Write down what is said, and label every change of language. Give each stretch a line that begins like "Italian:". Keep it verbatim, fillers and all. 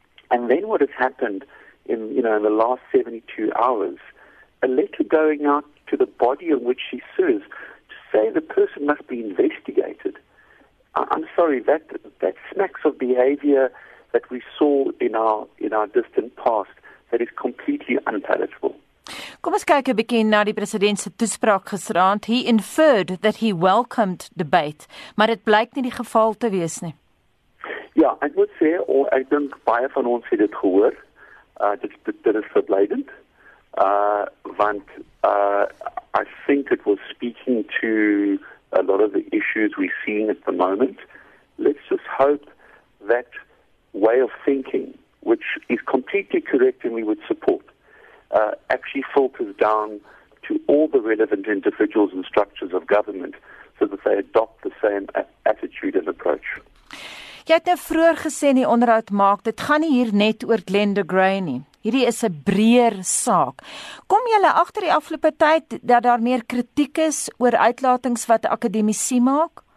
English: And then what has happened in, you know, in the last seventy-two hours, a letter going out to the body in which she serves to say the person must be investigated. I- I'm sorry, that that smacks of behavior that we saw in our in our distant past that is completely unpalatable.
Afrikaans: Kom ons kyk 'n bietjie na die president se toespraak gisteraand.
English: He inferred that he welcomed debate,
Afrikaans: maar dit blyk nie die geval te wees nie. Ja, ek moet sê, oh, ek dink baie van ons het dit gehoor. Uh, dit, dit, dit is verblydend.
English: Uh, want uh, I think it was speaking to a lot of the issues we're seeing at the moment. Let's just hope that way of thinking, which is completely correct and we would support, uh, actually filters down to all the relevant individuals and structures of government so that they adopt the same attitude and approach.
Afrikaans: Jy het nou vroeër gesê in die onderhoud maak, dit gaan nie hier net oor Glenn de Grey nie. Hierdie is 'n breër saak. Kom julle agter die afgelope tyd dat daar meer kritiek is oor uitlatings wat akademici maak?